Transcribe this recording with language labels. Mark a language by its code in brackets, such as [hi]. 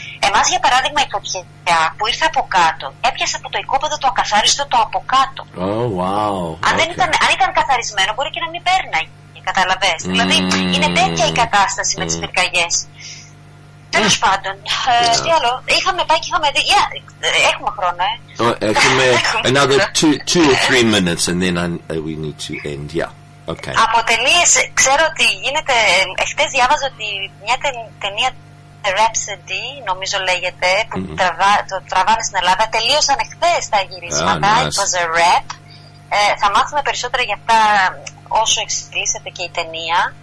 [el] Εμάς για παράδειγμα η φωτιά που ήρθε από κάτω έπιασε από το οικόπεδο το ακαθάριστο το από κάτω. [en] Oh, wow. [el] Αν ήταν καθαρισμένο μπορεί και να μην παίρναγε, καταλαβες. Δηλαδή είναι τέτοια η κατάσταση με τις πυρκαγιές. Τέλος πάντων, τι άλλο, είχαμε πάει και είχαμε δει, έχουμε χρόνο, Έχουμε [en] another two or three minutes and then we need to end, yeah. Okay. [el] Από ταινίες, ξέρω ότι γίνεται, χτες διάβαζα ότι μια ταινία, The Rhapsody, νομίζω λέγεται, που το τραβάνε στην Ελλάδα, τελείωσαν χτες τα γυρίσματα, [en] it was a rap. [el] Θα μάθουμε περισσότερα για αυτά όσο εξελίσσεται και η ταινία.